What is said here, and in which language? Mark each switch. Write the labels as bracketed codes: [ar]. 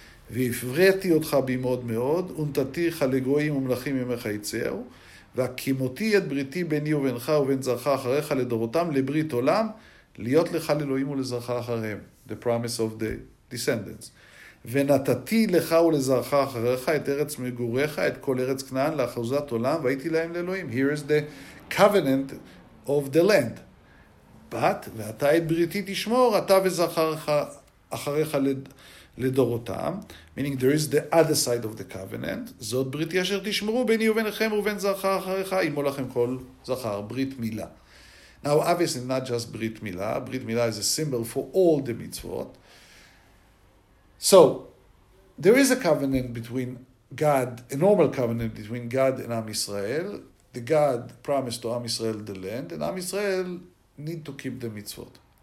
[he] והפריתי אותך במאוד מאוד, ונתתיך לגויים ומלכים ממך יצאו, והקימותי את בריתי ביני ובינך ובין זרחה אחריך לדורותם, לברית עולם, להיות לך לאלוהים ולזרחה אחריהם. [en] The promise of the descendants. [he] ונתתי לך ולזרחה אחריך את ארץ מגוריך, את כל ארץ כנען, לאחוזת עולם, והייתי להם לאלוהים. [en] Here is the covenant of the land. [he] But, ואתה את בריתי תשמור, אתה וזרחה אחריך לדורותם, לדורותם, [en] meaning there is the other side of the covenant, [he] זאת בריתי אשר תשמרו ביני וביניכם ובין זרעך אחריך, אמור לכם כל זכר, ברית מילה. [en] Now obviously not just ברית מילה, ברית מילה is a symbol for all the mitzvot. So, there is a covenant between God, a normal covenant between God and Am Yisrael. The God promised to Am Yisrael the land, and Am Yisrael need to keep the mitzvot.